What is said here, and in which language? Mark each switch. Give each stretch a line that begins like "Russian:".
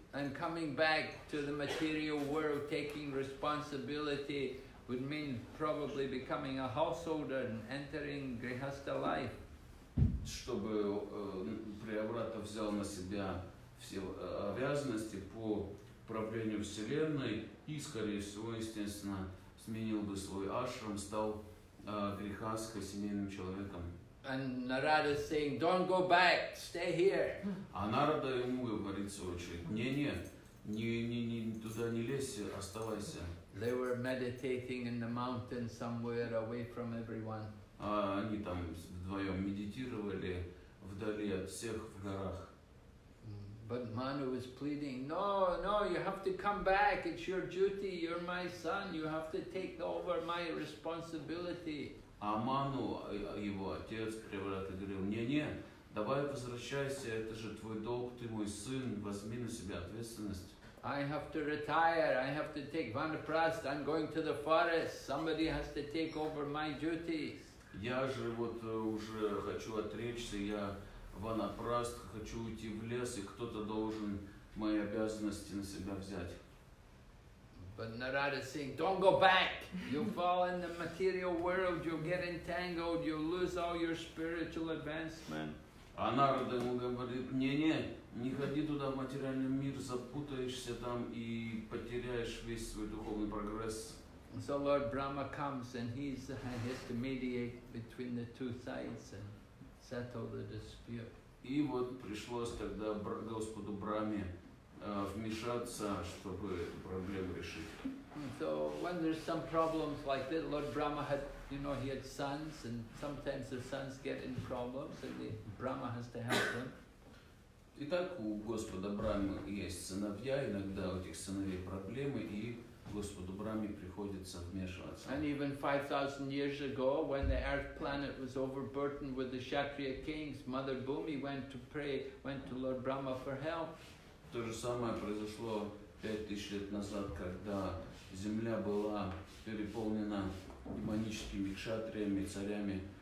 English: And coming back to the material world, taking responsibility would mean probably becoming a householder and entering grihastha life.
Russian: Чтобы Преобрата взял на себя все обязанности по управлению Вселенной и, скорее всего, естественно, сменил бы свой ашрам, стал грихастхой, семейным человеком.
English: And Narada is saying, "Don't go back. Stay here."
Russian: А Нарада ему говорит в очередь: не туда не лезь, оставайся.
English: They were meditating in the mountain somewhere away from everyone.
Russian: А они там вдвоем медитировали вдали от всех в горах.
English: But Manu was pleading, "No, you have to come back. It's your duty. You're my son. You have to take over my responsibility."
Russian: А Ману, его отец, Преобрата, говорил, давай возвращайся, это же твой долг, ты мой сын, возьми на себя ответственность.
English: I have to retire, I have to take vanaprastha, I'm going to the forest, somebody has to take over my duties.
Russian: Я же вот уже хочу отречься, я ванапраст, хочу уйти в лес, и кто-то должен мои обязанности на себя взять.
English: But Narada is saying, "Don't go back. You'll fall in the material world. You'll get entangled. You'll lose all your spiritual advancement."
Russian: А Нарада ему говорит: не ходи туда, в материальный мир, запутаешься там и потеряешь весь свой духовный прогресс.
English: So Lord Brahma comes and he has to mediate between the two sides and settle the dispute.
Russian: И вот пришлось тогда Господу Брахме вмешаться, чтобы эту проблему решить.
English: So when there's some problems like that, Lord Brahma had, he had sons, and sometimes the sons get in problems, and the Brahma has to help them.
Russian: Итак, у Господа Брахмы есть сыновья, иногда у этих сыновей проблемы, и Господу Брахме приходится вмешиваться.
English: And even 5,000 years ago, when the earth planet was overburdened with the Kshatriya kings, Mother Bhumi went to Lord Brahma for help.
Russian: То же самое произошло 5000 лет назад, когда земля была переполнена демоническими кшатриями, царями.